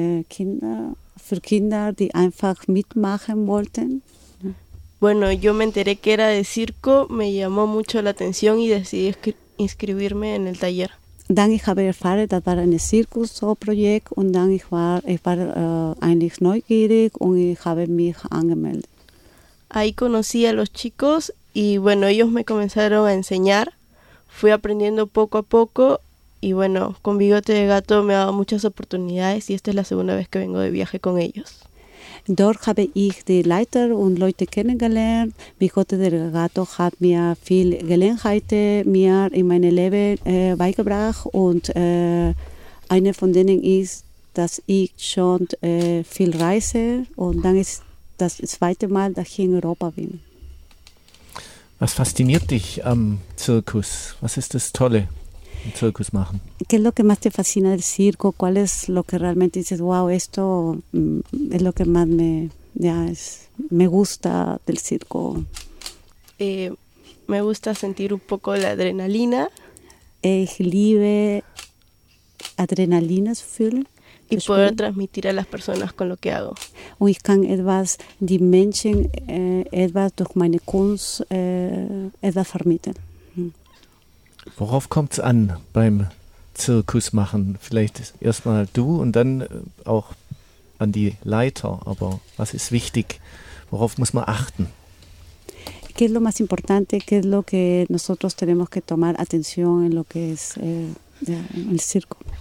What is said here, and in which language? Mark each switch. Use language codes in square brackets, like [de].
[de] Kinder für Kinder, die einfach mitmachen wollten. [es] Bueno, yo me enteré que era de circo, me llamó mucho la atención y decidí inscribirme en el taller. [de] Dann ich habe erfahren, das war ein Zirkusprojekt und dann ich war eigentlich neugierig und ich habe mich angemeldet. [es] Ahí conocí a los chicos y bueno, ellos me comenzaron a enseñar. Fui aprendiendo poco a poco y bueno, con Bigote de Gato me ha dado muchas oportunidades y esta es la segunda vez que vengo de viaje con ellos. [de] Dort habe ich die Leiter und Leute kennengelernt. Bigote del Gato hat mir viel Gelegenheiten mir in meinem Leben beigebracht. Und eine von denen ist, dass ich schon viel reise. Und dann ist das zweite Mal, dass ich in Europa bin. Was fasziniert dich am Zirkus? Was ist das Tolle? Zirkus machen. [es] ¿Qué es lo que más te fascina del circo? ¿Cuál es lo que realmente dices, wow, esto es lo que más me gusta del circo? Me gusta sentir un poco la adrenalina. [de] Ich liebe Adrenalina zu fühlen. [es] Y poder transmitir a las personas con lo que hago. [de] Und ich kann etwas die Menschen etwas durch meine Kunst etwas vermitteln. Worauf kommt es an beim Zirkus machen? Vielleicht erstmal du und dann auch an die Leiter. Aber was ist wichtig? Worauf muss man achten? [es] ¿Qué es lo más importante? ¿Qué es lo que nosotros tenemos que tomar atención en lo que es el circo?